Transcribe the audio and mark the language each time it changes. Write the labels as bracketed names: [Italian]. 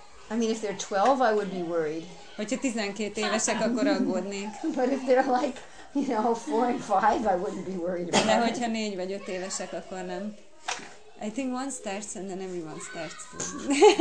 [English] I mean, if they're 12, I would be worried. [Hungarian] Hogyha 12 évesek, akkor aggódnék. [English] But if they're like, you know, 4 and 5, I wouldn't be worried about [Hungarian] it. De hogyha 4 vagy 5 évesek, akkor nem. [English] I think one starts and then everyone starts too.